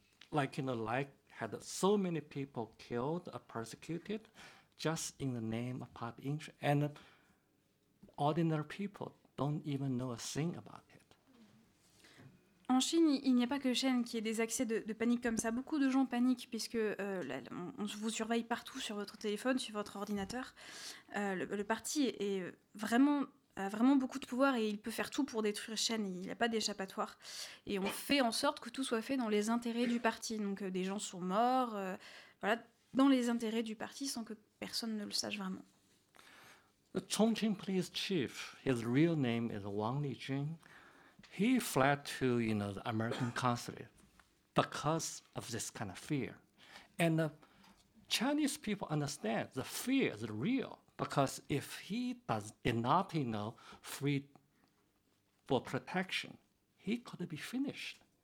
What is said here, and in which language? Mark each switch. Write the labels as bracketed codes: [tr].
[en] Like had so many people killed or persecuted just in the name of party interest. And ordinary people don't even know a thing about it. [fr] En Chine, il n'y a pas que Chen qui ait des accès de panique comme ça. Beaucoup de gens paniquent puisque on vous surveille partout sur votre téléphone, sur votre ordinateur. Le parti est vraiment, a vraiment beaucoup de pouvoir et il peut faire tout pour détruire Chen. Il n'y a pas d'échappatoire. Et on fait en sorte que tout soit fait dans les intérêts du parti. Donc des gens sont morts, voilà, dans les intérêts du parti sans que personne ne le sache vraiment. [en] The Chongqing police chief, his real name is Wang Lijun. He fled to, you know, the American consulate because of this kind of fear. And the Chinese people understand the fear is real, because if he did not, you know, flee for protection, he could be finished.